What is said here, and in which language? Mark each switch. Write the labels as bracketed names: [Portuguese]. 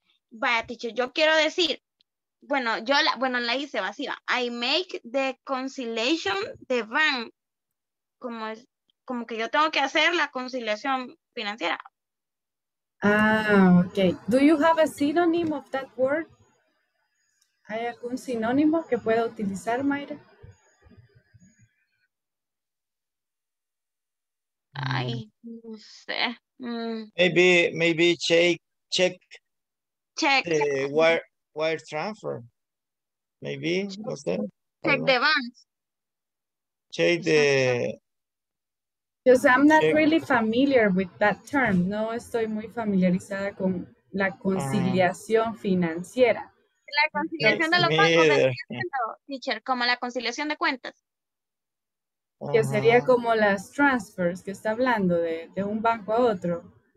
[Spanish] Vaya, teacher, yo quiero decir, bueno, yo la, bueno, la hice vacía. [English] I make the conciliation the van. [Spanish] Como es, como que yo tengo que hacer la conciliación financiera. Ah, okay. [English] Do you have a synonym of that word? [Spanish] ¿Hay algún sinónimo que pueda utilizar, Mayra? Ay, no sé. [English] Maybe check the wire transfer. Maybe, [Spanish] no sé. [English] Check the bank. Check the... Because I'm not really familiar with that term. [Spanish] No estoy muy familiarizada con la conciliación financiera. La conciliación de los bancos, teacher, como la conciliación de cuentas. Que sería como las transfers que está hablando de un banco a otro.